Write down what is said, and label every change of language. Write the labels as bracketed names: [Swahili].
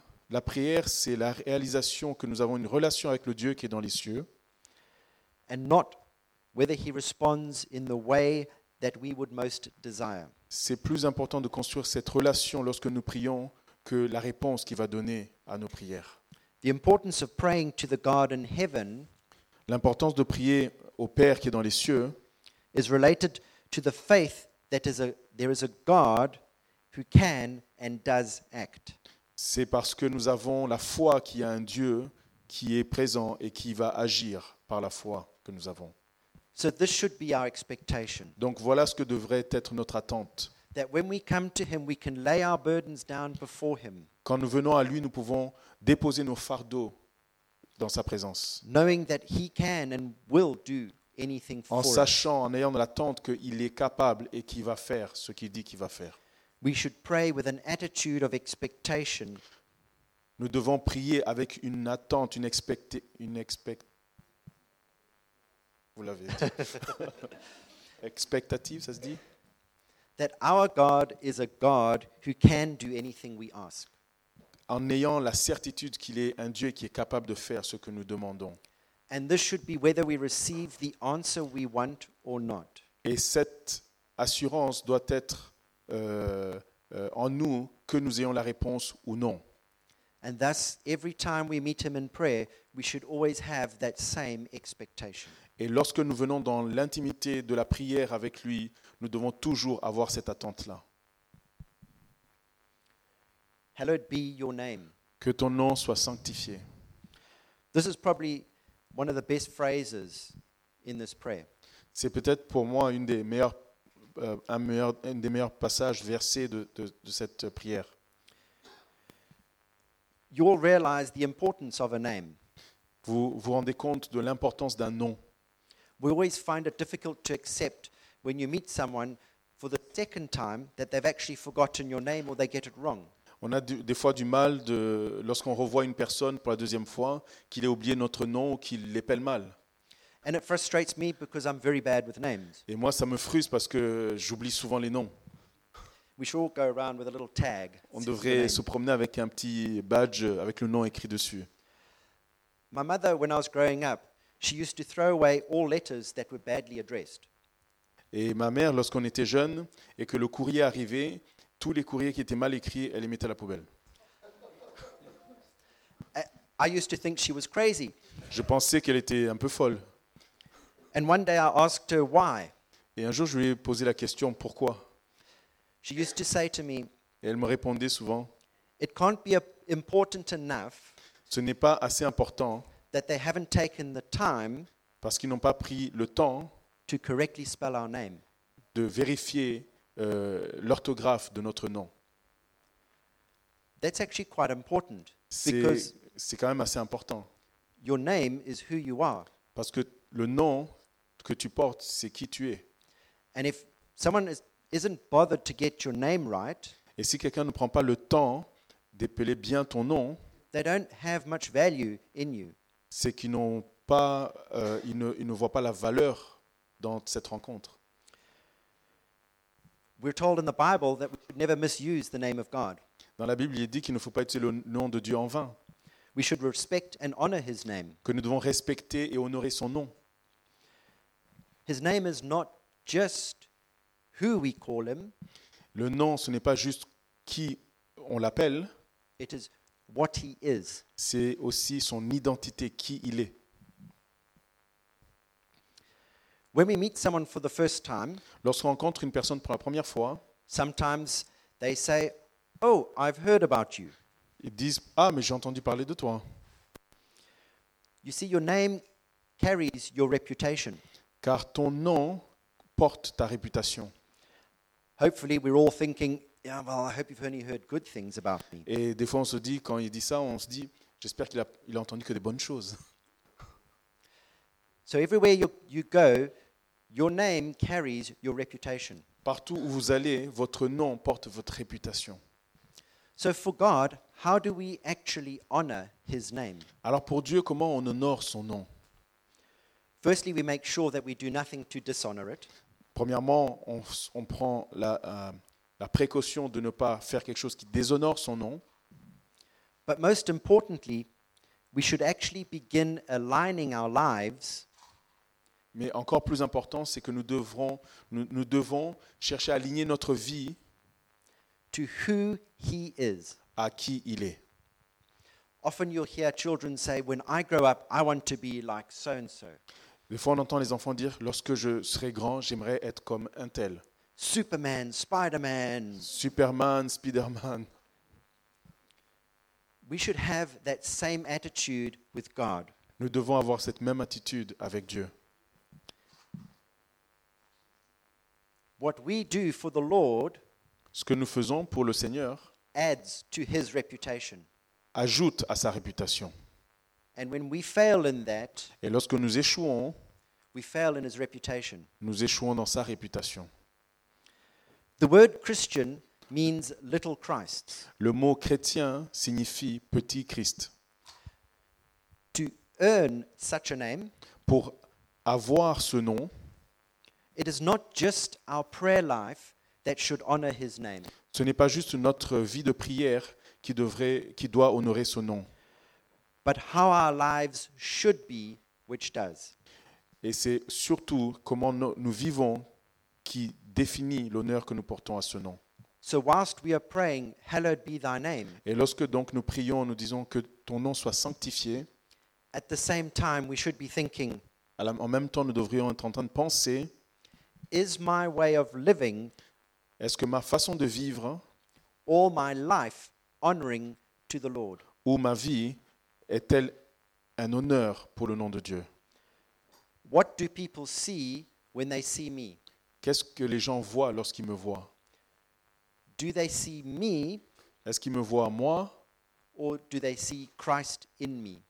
[French] La prière c'est la réalisation que nous avons une relation avec le Dieu qui est dans les cieux. [English] And not whether he responds in the way that we would most desire. [French] C'est plus important de construire cette relation lorsque nous prions que la réponse qu'il va donner à nos prières. [English] The importance of praying to the God in heaven, [French] l'importance de prier au Père qui est dans les cieux, [English] is related to the faith that there is a God who can and does act. [French] C'est parce que nous avons la foi qu'il y a un Dieu qui est présent et qui va agir par la foi que nous avons. [English] So this should be our expectation. [French] Donc voilà ce que devrait être notre attente. [English] That when we come to him, we can lay our burdens down before him. [French] Quand nous venons à lui, nous pouvons déposer nos fardeaux dans sa présence. [English] Knowing that he can and will do anything for us. [French] En sachant, en ayant l'attente qu'il est capable et qu'il va faire ce qu'il dit qu'il va faire. [English] We should pray with an attitude of expectation. [French] Nous devons prier avec une attente, une expectation. Vous l'avez dit. Expectative, ça se dit. [English] That our God is a God who can do anything we ask. [French] En ayant la certitude qu'il est un Dieu qui est capable de faire ce que nous demandons. [English] And this should be whether we receive the answer we want or not. [French] Et cette assurance doit être en nous que nous ayons la réponse ou non. [English] And thus, every time we meet him in prayer, we should always have that same expectation. [French] Et lorsque nous venons dans l'intimité de la prière avec lui, nous devons toujours avoir cette attente-là. [English] Hallowed be your name. [French] Que ton nom soit sanctifié. [English] This is probably One of the best phrases in this prayer. [French] C'est peut-être pour moi une des meilleures un des meilleurs passages versés de cette prière. [English] You all realize the importance of a name. [French] Vous vous rendez compte de l'importance d'un nom. [English] We always find it difficult to accept when you meet someone for the second time that they've actually forgotten your name or they get it wrong. [French] On a des fois du mal de lorsqu'on revoit une personne pour la deuxième fois qu'il ait oublié notre nom ou qu'il l'appelle mal. [English] And it frustrates me because I'm very bad with names. [French] Et moi ça me frustre parce que j'oublie souvent les noms. [English] We should all go around with a little tag. [French] On devrait se promener avec un petit badge avec le nom écrit dessus. [English] My mother when I was growing up, she used to throw away all letters that were badly addressed. [French] Et ma mère lorsqu'on était jeune et que le courrier arrivait, tous les courriers qui étaient mal écrits, elle les mettait à la poubelle. [English] I used to think she was crazy. [French] Je pensais qu'elle était un peu folle. [English] And one day I asked her why. [French] Et un jour, je lui ai posé la question pourquoi. [English] She used to say to me, [French] et elle me répondait souvent, [English] it can't be important enough, [French] ce n'est pas assez important [English] that they haven't taken the time, [French] parce qu'ils n'ont pas pris le temps [English] to correctly spell our name. [French] De vérifier l'orthographe de notre nom. [English] That's actually quite important. [French] C'est quand même assez important. [English] Your name is who you are. [French] Parce que le nom que tu portes, c'est qui tu es. [English] And if someone isn't bothered to get your name right, [French] et si quelqu'un ne prend pas le temps d'épeler bien ton nom, [English] they don't have much value in you. [French] C'est qu'ils n'ont pas, ils ne voient pas la valeur dans cette rencontre. [English] We're told in the Bible that we should never misuse the name of God. [French] Dans la Bible, il est dit qu'il ne faut pas utiliser le nom de Dieu en vain. [English] We should respect and honor his name. [French] Que nous devons respecter et honorer son nom. [English] His name is not just who we call him. [French] Le nom, ce n'est pas juste qui on l'appelle. [English] It is what he is. [French] C'est aussi son identité, qui il est. [English] When we meet someone for the first time, [French] lorsqu'on rencontre une personne pour la première fois, [English] sometimes they say, "Oh, I've heard about you." [French] Ils disent, ah, mais j'ai entendu parler de toi. [English] You see, your name carries your reputation. [French] Car ton nom porte ta réputation. [English] Hopefully, we're all thinking, "Yeah, well, I hope you've only heard good things about me." [French] Et des fois, on se dit, quand il dit ça, on se dit, j'espère qu'il a entendu que des bonnes choses. [English] So everywhere you go, your name carries your reputation. [French] Partout où vous allez, votre nom porte votre réputation. [English] So for God, how do we actually honor his name? [French] Alors pour Dieu, comment on honore son nom? [English] Firstly, we make sure that we do nothing to dishonor it. [French] Premièrement, on prend la précaution de ne pas faire quelque chose qui déshonore son nom. [English] But most importantly, we should actually begin aligning our lives. [French] Mais encore plus important, c'est que nous devons chercher à aligner notre vie [English] to who he is. [French] À qui il est. [English] Often you'll hear children say, "When I grow up, I want to be like so and so." [French] Des fois, on entend les enfants dire, "Lorsque je serai grand, j'aimerais être comme un tel." [English] Superman, Spider-Man. [French] Superman, Spider-Man. [English] We should have that same attitude with God. [French] Nous devons avoir cette même attitude avec Dieu. [English] What we do for the Lord, [French] ce que nous faisons pour le Seigneur, [English] adds to his reputation. [French] Ajoute à sa réputation. [English] And when we fail in that, [French] et lorsque nous échouons, [English] we fail in his reputation. [French] Nous échouons dans sa réputation. [English] The word Christian means little Christ. [French] Le mot chrétien signifie petit Christ. [English] To earn such a name, [French] pour avoir ce nom, [English] it is not just our prayer life that should honor his name. [French] Ce n'est pas juste notre vie de prière qui doit honorer son nom. [English] But how our lives should be, which does. [French] Et c'est surtout comment nous vivons qui définit l'honneur que nous portons à ce nom. [English] So whilst we are praying, hallowed be thy name. [French] Et lorsque donc nous prions, nous disons que ton nom soit sanctifié. [English] At the same time, we should be thinking. [French] En même temps, nous devrions être en train de penser. [English] Is my way of living, [French] est-ce que ma façon de vivre, [English] or my life honoring to the Lord, [French] ou ma vie est-elle un honneur pour le nom de Dieu. [English] What do people see when they see me? [French] Qu'est-ce que les gens voient lorsqu'ils me voient? [English] Do they see me? [French] Est-ce qu'ils me voient moi? [English] Or do they see Christ in me?